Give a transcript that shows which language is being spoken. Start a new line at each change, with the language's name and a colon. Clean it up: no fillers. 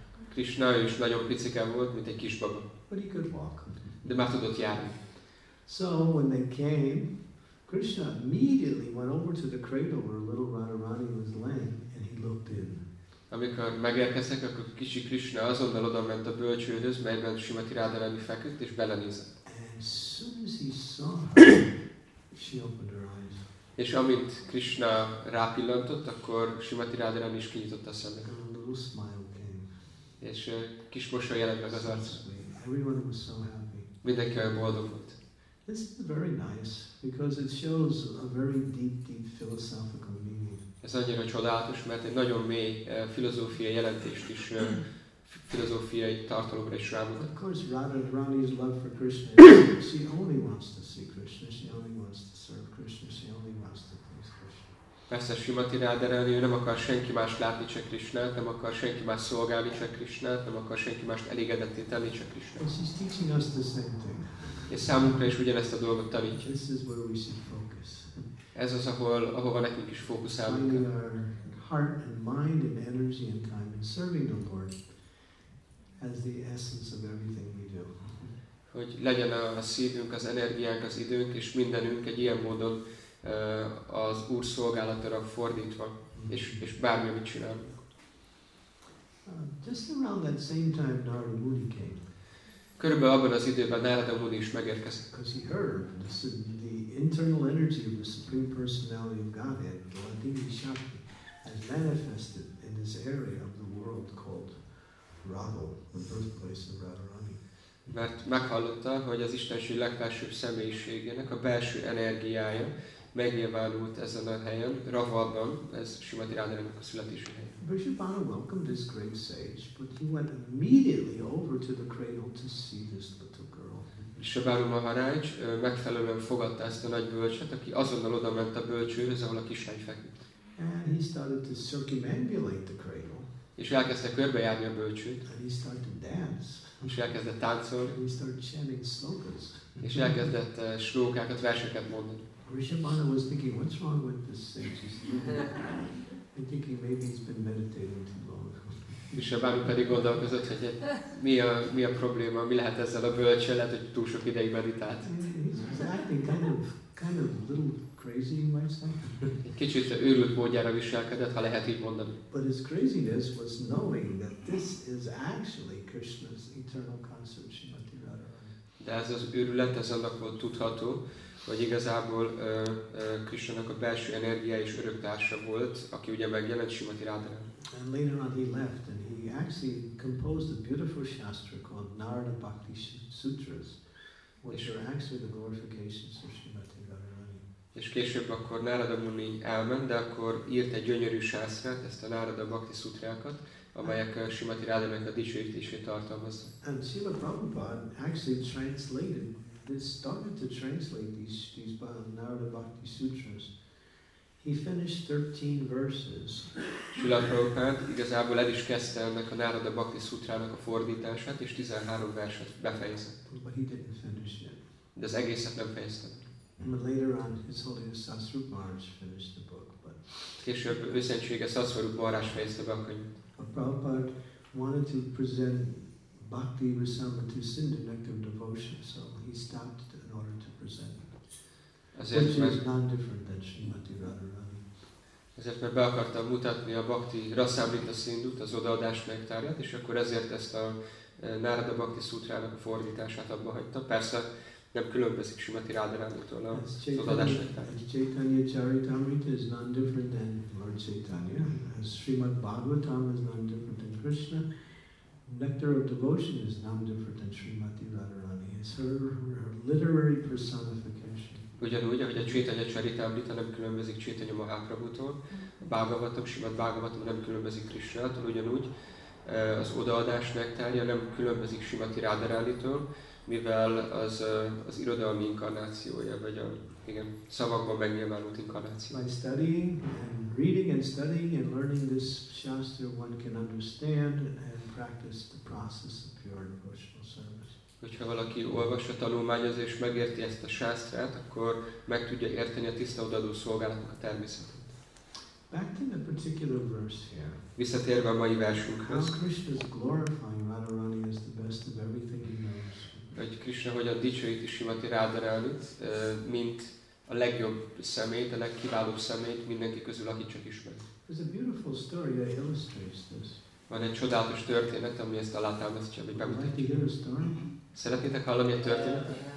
Hungarian: Krishna is nagyon picike volt, mint egy kisbaba.
English: But he could walk.
Hungarian: De már tudott járni.
English: So when they came, Krishna immediately went over to the cradle where little Radharani was laying, and he looked in.
Hungarian: Amikor megérkeztek, akkor kicsi Krishna azonnal oda ment a bölcsődhöz, melyben Simati Radharani feküdt, és belenézett.
English: And as soon as he saw her, she opened her eyes.
Hungarian: És amint Krishna rápillantott, akkor Simati Radharani is kinyitott a szemét.
English: And a little smile came.
Hungarian: És kis mosoly jelent meg az arcán.
English: Everyone was so happy.
Hungarian: Mindenki olyan boldog volt.
English: This is very nice because it shows a very deep philosophical meaning.
Hungarian: Ez annyira csodálatos, mert egy nagyon mély filozófiai jelentést is filozófiai tartalomra is rámutat.
English: Of course, Radharani's love for Krishna. She only wants to see Krishna. She only wants to serve Krishna. She only wants to please Krishna.
Hungarian: Persze, Srimati Radharani, ő nem akar senki más látni, csak Krishnát, nem akar senki más szolgálni, csak Krishnát, nem akar senki más elégedetté tenni, csak Krishnát.
English: She's teaching us the same thing.
Hungarian: És számunkra is ugyanezt a dolgot tanítja.
English: This is where we should focus.
Hungarian: Ez az, ahova nekünk is fókuszálunk.
English: Finding our heart and mind and energy and time and serving the Lord as the essence of everything we do.
Hungarian: Hogy legyen a szívünk, az energiánk, az időnk és mindenünk egy ilyen módon az Úr szolgálatára fordítva, és bármi, amit csinálunk.
English: Just around that same time Narada Muni came.
Hungarian: Körülbelül abban az időben Narada Muni is megérkezett.
English: Because he heard the internal energy of the Supreme Personality of Godhead, Bhagavati Shakti, has manifested in this area of the world called Rahul, the birthplace of Radharani.
Hungarian: Mert meghallotta, hogy az Istenség legfelsőbb személyiségének a belső energiája megnyilvánult ezen a helyen, Rahulban, ez Srimati Radharaninak a születési hely.
English: Vrishabhanu welcomed this great sage, but he went immediately over to the cradle to see this little girl.
Hungarian: Vrishabhanu Maharaj megfelelően fogadta ezt a nagy bölcset, aki azonnal oda ment a bölcsőhöz, ahol a kislány feküdt.
English: And he started to circumambulate the cradle.
Hungarian: És elkezdte körbejárni a bölcsőt.
English: And he started to dance.
Hungarian: És elkezdett táncolni.
English: And he started chanting slokas.
Hungarian: És elkezdett slókákat, verseket mondani.
English: Vrishabhanu was thinking, what's wrong with this sage? I'm thinking maybe he's been meditating too long.
Hungarian: Vrishabhanu pedig gondolkozott, hogy mi a probléma, mi lehet ezzel a bölcsel, lehet, hogy túl sok ideig meditált.
English: He's acting kind of a little crazy in my sense.
Hungarian: Kicsit őrült módjára viselkedett, ha lehet így mondani.
English: But his craziness was knowing that this is actually Krishna's eternal consort, Srimati Radharani.
Hungarian: De ez az őrület, ez annak volt tudható, hogy igazából Krishnának a belső energia és örök társa volt, aki ugye megjelent Srimati Radharani.
English: And later on he left and he actually composed a beautiful shastra called Narada Bhakti Sutras, which are actually the glorifications of Srimati Radharani.
Hungarian: És később akkor Narada Muni elment, de akkor írt egy gyönyörű sászrát, ezt a Narada Bhakti Sutrákat, amelyek Srimati Radharaninak a dicsőítését tartalmazza.
English: And Srila Prabhupada actually translated. They started to translate these Narada Bhakti Sutras He finished 13 verses.
Hungarian: Srila Prabhupada igazából el is kezdte ennek a Narada Bhakti Sutrának a fordítását, és 13 verset befejezett.
English: But he didn't finish it.
Hungarian: De az egészet nem fejezte.
English: Later on, His Holiness Sasrup Maharaj finished the book, but
Hungarian: később őszentsége Sasrup Maharaj fejezte be a könyvet.
English: Prabhupada wanted to present Bhakti Rasamrita Sindhu Nectar Devotion, so he stopped in order to present. Which is non-different than Srimati Radharani.
Hungarian: Ezért mert be akartam mutatni a Bhakti Rasamrita Sindhut, az odaadás nektárját, és akkor ezért ezt a Narada Bhakti Sutrának a fordítását abba hagyta. Persze nem különbözik Srimati Radharanitól az odaadás nektárját.
English: Chaitanya Charitamrita is non-different than Lord Chaitanya. As Srimad Bhagavatam is non-different than Krishna. Nectar of Devotion is non-different than Srimati Radharani. It's her literary personification.
Hungarian: Ugyanúgy, ahogy a Chaitanya Charitamrita nem különbözik Chaitanya Mahaprabhutól, a Bhagavatam, Srimad Bhagavatam nem különbözik Krishnától, ugyanúgy az odaadás nektárja nem különbözik Srimati Radharanitól, mivel az az irodalmi inkarnációja, vagy a igen, szavakban megnyilvánult inkarnáció.
English: By studying and reading and studying and learning this shastra, one can understand and practice the process of pure devotional service.
Hungarian: Hogyha valaki olvassa, tanulmányozza és megérti ezt a sásztrát, akkor meg tudja érteni a tiszta odaadó szolgálatnak a természetét.
English: Back to the particular verse here.
Hungarian: Visszatérve a mai versünkhöz.
English: How Krishna is glorifying Radharani as the best of everything he knows.
Hungarian: Hogy Krishna hogyan dicsőíti Srimati Radharanit, mint a legjobb személyt, a legkiválóbb személyt mindenki közül, akit csak ismer.
English: There's a beautiful story that illustrates this.
Hungarian: Van egy csodálatos történet, ami ezt alátámasztja, vagy bemutatja. Szeretnétek hallani a történetet?